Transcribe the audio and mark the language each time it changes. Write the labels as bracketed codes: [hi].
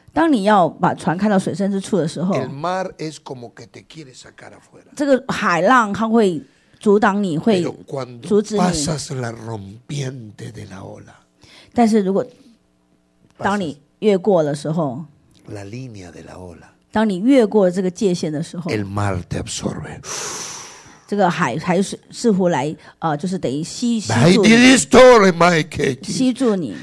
[zh] 当你要把船开到水深之处的时候， [es] el mar es como que te quiere sacar afuera. [zh] 这个海浪它会阻挡你，会阻止你。 [es] Pero cuando pasas la rompiente de la ola, [zh] 但是如果当你越过的时候 [es] la línea de la ola, [zh] 当你越过这个界限的时候 [es] el mar te absorbe, [zh] 这个 海似乎来就是等于吸住你, story, Mike, 吸住你